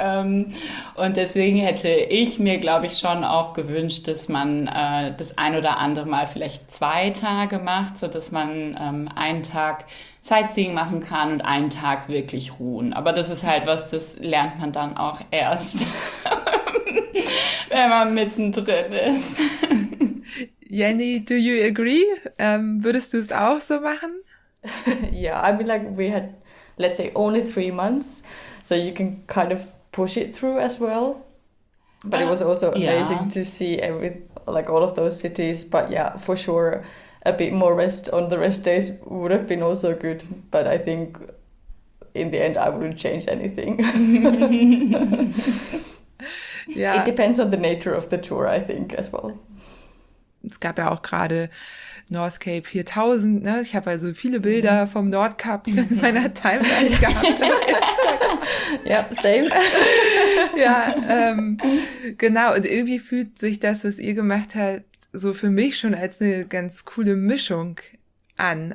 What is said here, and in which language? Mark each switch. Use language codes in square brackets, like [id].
[de] Und deswegen hätte ich mir, glaube ich, schon auch gewünscht, dass man das ein oder andere Mal vielleicht zwei Tage macht, sodass man einen Tag Sightseeing machen kann und einen Tag wirklich ruhen. Aber das ist halt was, das lernt man dann auch erst, wenn man mittendrin ist. [en] Jenny, do you agree? [de] Würdest du es auch so machen? [en] Yeah, I mean, like, we had, let's say, only 3 months, so you can kind of push it through as well. But it was also amazing to see all of those cities, but yeah, for sure, a bit more rest on the rest days would have been also good, but I think in the end I wouldn't change anything. Yeah. It depends on the nature of the tour, I think, as well. [de] Es gab ja auch gerade North Cape 4000, ne? Ich habe also viele Bilder vom Nordkap in meiner Timeline gehabt. Ja, same. Ja, genau. Und irgendwie fühlt sich das, was ihr gemacht habt, so für mich schon als eine ganz coole Mischung an.